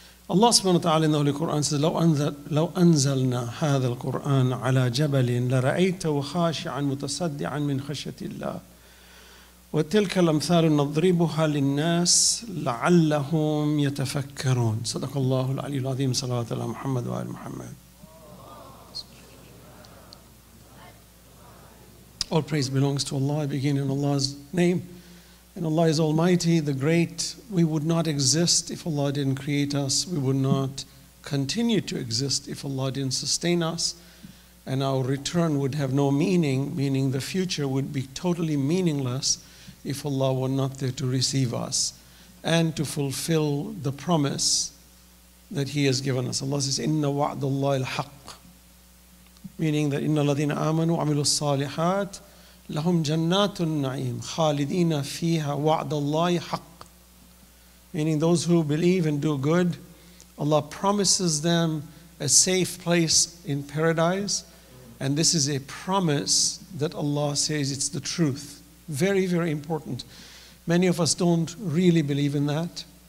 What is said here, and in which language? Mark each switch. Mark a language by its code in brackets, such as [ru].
[ar] الله سبحانه وتعالى إنه للقرآن [en] says [ar] لو أنزلنا هذا القرآن على جبل لرأيته خاشعا متصدعا من خشية الله وتلك الأمثال نضربها للناس لعلهم يتفكرون صدق الله العلي العظيم صلى الله عليه محمد وآل محمد. [en] All praise belongs to Allah. I begin in Allah's name. And Allah is Almighty, the Great. We would not exist if Allah didn't create us. We would not continue to exist if Allah didn't sustain us. And our return would have no meaning, meaning the future would be totally meaningless if Allah were not there to receive us and to fulfill the promise that He has given us. Allah says, [ar] إِنَّ وَعْدَ اللَّهِ الْحَقِّ. [en] Meaning that [ar] إِنَّ الَّذِينَ آمَنُوا وَعَمِلُوا الصَّالِحَاتِ لَهُمْ جَنَّاتُ النَّعِيمِ خَالِدِينَ فِيهَا وَعْدَ اللَّهِ حَقٍّ. [en] Meaning those who believe and do good, Allah promises them a safe place in paradise. And this is a promise that Allah says it's the truth. Very, very important. Many of us don't really believe in that.